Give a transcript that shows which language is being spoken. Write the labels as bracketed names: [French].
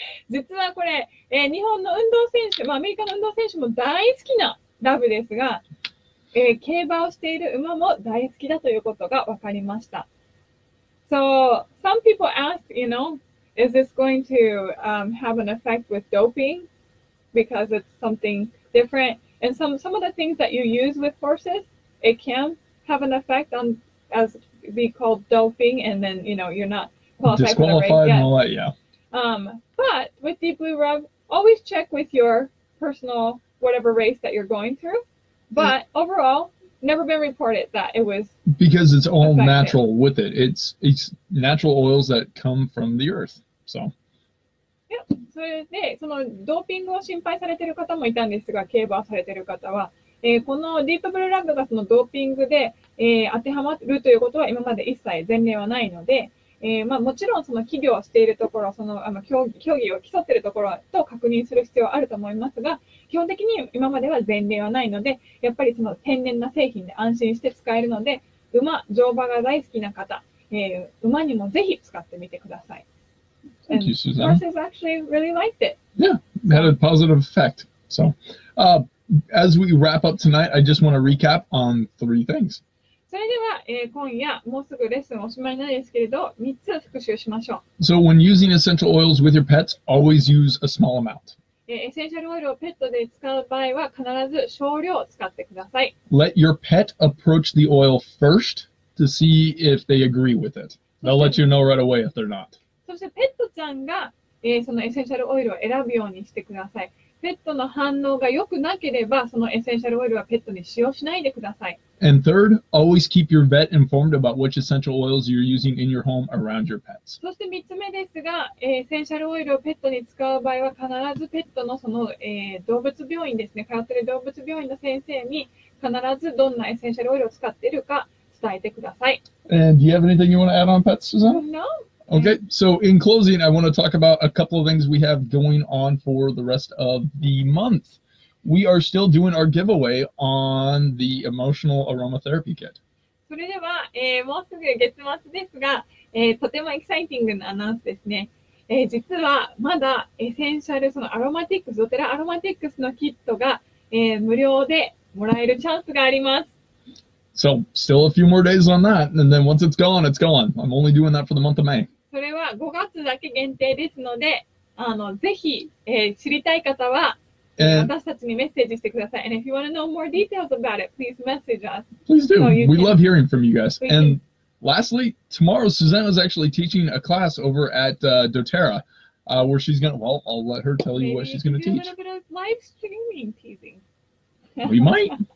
[Japanese] 実はこれ、日本の運動選手、まあ、アメリカの運動選手も大好きなラブですが、競馬をしている馬も大好きだということが分かりました。 [English] So, some people ask, you know,Is this going to have an effect with doping because it's something different? And some of the things that you use with horses, it can have an effect on as be called doping, and then you know you're not qualified. Disqualified and all that, yeah. But with Deep Blue Rub, always check with your personal whatever race that you're going through. But overall, never been reported that it was because it's all effective. Natural with it. It's natural oils that come from the earth. So. Yeah. [Japanese] それでそのドーピングを心配されている方もいたんですが、競馬をされている方は、このディープブルーラグがそのドーピングで、当てはまるということは今まで一切前例はないので、まあ、もちろんその企業をしているところ、その競技を競っているところと確認する必要はあると思いますが、基本的に今までは前例はないので、やっぱりその天然な製品で安心して使えるので、馬、乗馬が大好きな方、馬にもぜひ使ってみてください。 [English] Thank you, Susanna. Horses actually really liked it. Yeah, it had a positive effect. So, as we wrap up tonight, I just want to recap on three things. [Japanese] それでは、今夜もうすぐレッスンおしまいなんですけれど、3つ復習しましょう。 [English] So, when using essential oils with your pets, always use a small amount. [Japanese] エッセンシャルオイルをペットで使う場合は必ず少量を使ってください。 [English] Let your pet approach the oil first to see if they agree with it. They'll let you know right away if they're not. [Japanese] そしてペットちゃんが、そのエッセンシャルオイルを選ぶようにしてください。ペットの反応が良くなければ、そのエッセンシャルオイルはペットに使用しないでください。 [English] And third, always keep your vet informed about which essential oils you're using in your home around your pets. [Japanese] そして3つ目ですが、エッセンシャルオイルをペットに使う場合は、必ずペットのその、動物病院ですね、通ってる動物病院の先生に必ずどんなエッセンシャルオイルを使っているか伝えてください。 [English] And do you have anything you want to add on pets, Susanna? No. Okay, so in closing, I want to talk about a couple of things we have going on for the rest of the month. We are still doing our giveaway on the Emotional Aromatherapy Kit. [Japanese] それでは、もうすぐ月末ですが、とてもエキサイティングなアナウンスですね。実はまだエッセンシャル、そのアロマティックス、ゾテラアロマティックスのキットが、無料でもらえるチャンスがあります。 [English] So, still a few more days on that, and then once it's gone, it's gone. I'm only doing that for the month of May. [Japanese] それは5月だけ限定ですので、ぜひ、知りたい方は、私たちにメッセージしてください。 [English] And if you want to know more details about it, please message us. Please do. We love hearing from you guys. And lastly, tomorrow, Susanna is actually teaching a class over at doTERRA, where she's going to, well, I'll let her tell you what she's going to teach. A little bit of live streaming teasing. We might.